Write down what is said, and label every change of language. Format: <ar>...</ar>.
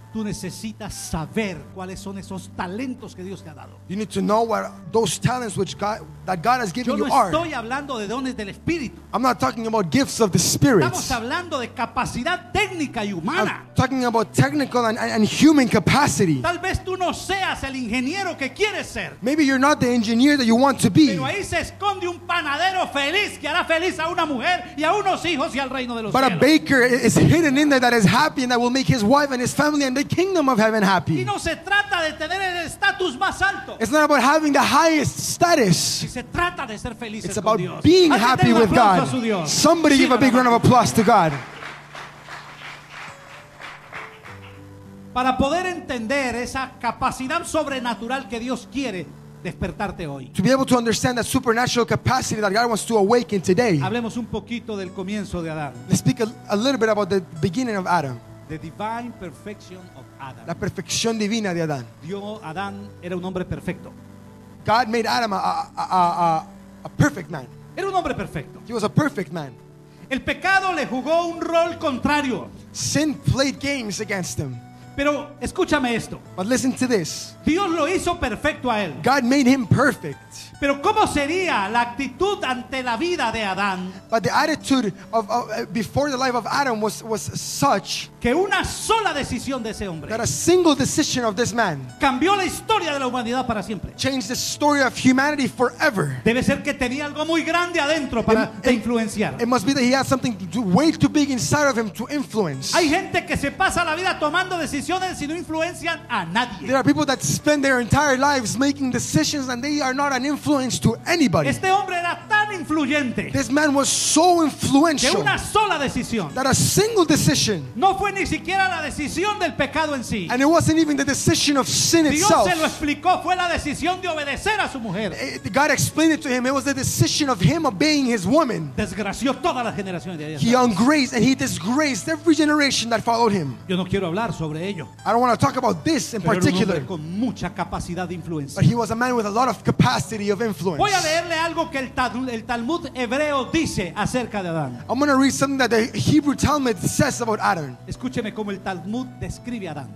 <es>Tú necesitas saber cuáles son esos talentos que Dios te ha dado.</es> <en>You need to know what those talents which God that God has given you are.</en> <es>Yo no estoy hablando de dones del Espíritu.</es> <en>I'm not talking about gifts of the Spirit.</en> <es>Estamos hablando de capacidad técnica y humana.</es> <en>I'm talking about technical and human capacity.</en> <es>Tal vez tú no seas el ingeniero que quieres ser.</es> <en>Maybe you're not the engineer that you want to be.</en> <es>Pero ahí se esconde un panadero feliz que hará feliz a una mujer y a unos hijos y al reino de los cielos.</es> <en>But a baker is hidden in there that is happy and that will make his wife and his family the kingdom of heaven happy.</en> <es>Y no se trata de tener el estatus más alto.</es> <en>It's not about having the highest status.</en> <es>Y se trata de ser felices.</es> <en>It's about being happy with God. Somebody give a big round of applause to God.</en> <es>Para poder entender esa capacidad sobrenatural que Dios quiere despertarte hoy.</es> <en>To be able to understand that supernatural capacity that God wants to awaken today.</en> <es>Hablemos un poquito del comienzo de Adán.</es> <en>Let's speak a little bit about the beginning of Adam. The divine perfection of Adam.</en> <es>La perfección divina de Adán. Adán era un hombre perfecto.</es> <en>God made Adam a perfect man.</en> <es>Era un hombre perfecto.</es> <en>He was a perfect man.</en> <es>El pecado le jugó un rol contrario.</es> <en>Sin played games against him.</en> <es>Pero escúchame esto.</es> <en>But listen to this.</en> <es>Dios lo hizo perfecto a él.</es> <en>God made him perfect.</en> <es>Pero ¿cómo sería la actitud ante la vida de Adán?</es> <en>But the attitude of before the life of Adam was such</en> <es>que una sola decisión de ese hombre</es> <en>that a single decision of this man</en> <es>cambió la historia de la humanidad para siempre.</es> <en>Changed the story of humanity forever.</en> <es>Debe ser que tenía algo muy grande adentro para influenciar.</es> <en>It must be that he has something way too big inside of him to influence.</en> <es>Hay gente que se pasa la vida tomando decisiones y no influencian a nadie.</es> <en>There are people that spend their entire lives making decisions and they are not an influence to anybody.</en> <es>Este hombre era tan influyente.</es> <en>This man was so influential.</en> <es>Que una sola decisión.</es> <en>That a single decision.</en> <es>No fue ni siquiera la decisión del pecado en sí.</es> <en>And it wasn't even the decision of sin</en> <es>Dios</es> <en>itself.</en> <es>Se lo explicó, fue la decisión de obedecer a su mujer.</es> <en>God explained it to him. It was the decision of him obeying his woman.</en> <es>Desgració todas las generaciones de ahí.</es> <en>He ungraced and he disgraced every generation that followed him.</en> <es>Yo no quiero hablar sobre ello.</es> <en>I don't want to talk about this in</en> <es>Pero</es> <en>particular.</en> <es>Era un hombre con mucha capacidad de influencia.</es> <en>But he was a man with a lot of capacity of influence.</en> <es>Voy a leerle algo que el Talmud hebreo dice acerca de Adán.</es> <en>I'm going to read something that the Hebrew Talmud says about Adam.</en> <es>Escúcheme cómo el Talmud describe a Adán.</es>